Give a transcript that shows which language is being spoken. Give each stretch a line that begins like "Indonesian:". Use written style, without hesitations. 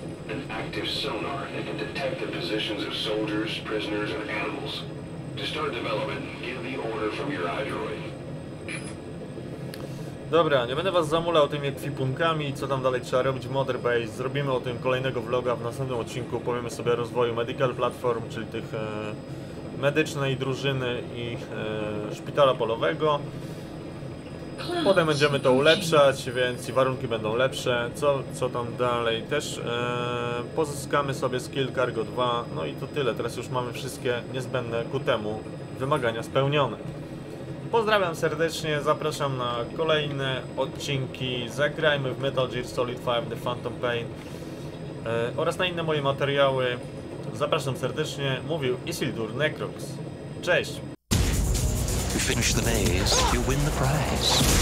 English: An active sonar that can detect the positions of soldiers, prisoners, and animals. To start development, give the order from your iDroid.
Polish: Dobra, nie będę was zamulał tymi ekwipunkami, co tam dalej trzeba robić w Mother Base. Zrobimy o tym kolejnego vloga w następnym odcinku. Powiemy sobie o rozwoju Medical Platform, czyli tych medycznej drużyny i szpitala polowego. Potem będziemy to ulepszać, więc i warunki będą lepsze. Co tam dalej? Też pozyskamy sobie skill Cargo 2. No i to tyle. Teraz już mamy wszystkie niezbędne ku temu wymagania spełnione. Pozdrawiam serdecznie. Zapraszam na kolejne odcinki. Zagrajmy w Metal Gear Solid 5 The Phantom Pain oraz na inne moje materiały. Zapraszam serdecznie. Mówił Isildur Necrox. Cześć!
English: Finish the maze, you win the prize.